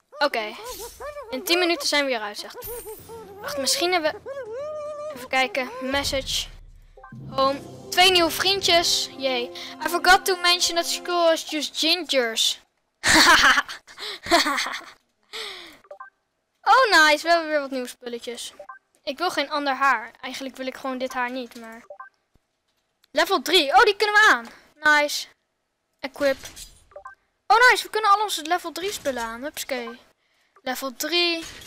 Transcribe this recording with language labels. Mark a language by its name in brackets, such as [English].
[Dutch] Oké, in 10 minuten zijn we eruit, zegt. Wacht, misschien hebben we... Even kijken, message. Home. Twee nieuwe vriendjes. Yay. [English] I forgot to mention that school is just gingers. [Dutch] Oh nice, we hebben weer wat nieuwe spulletjes. Ik wil geen ander haar. Eigenlijk wil ik gewoon dit haar niet, maar... Level 3, oh die kunnen we aan. Nice. Equip. Oh nice, we kunnen al onze level 3 spullen aan. Hupskee. Level 3.